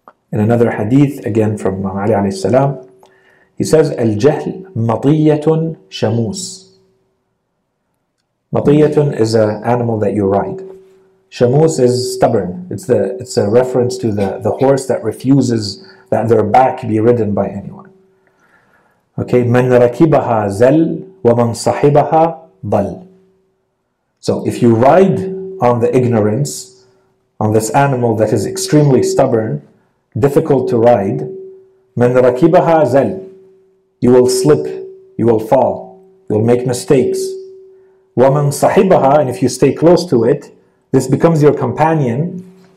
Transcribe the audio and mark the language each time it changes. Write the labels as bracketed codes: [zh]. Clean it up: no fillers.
[en] In another hadith, again from Ali alayhi salam, he says, [ar] Al-jahl matiyatun shamus. [en] Matiyatun is an animal that you ride. Shamus is stubborn. It's a reference to the horse that refuses that their back be ridden by anyone. [ar] Okay, من ركبها زل ومن صاحبها ضل. [en] So if you ride on the ignorance, on this animal that is extremely stubborn, difficult to ride, [ar] من ركبها زل, [en] you will slip, you will fall, you will make mistakes. [ar] وَمَنْ صَحِبَهَا, [en] and if you stay close to it, this becomes your companion.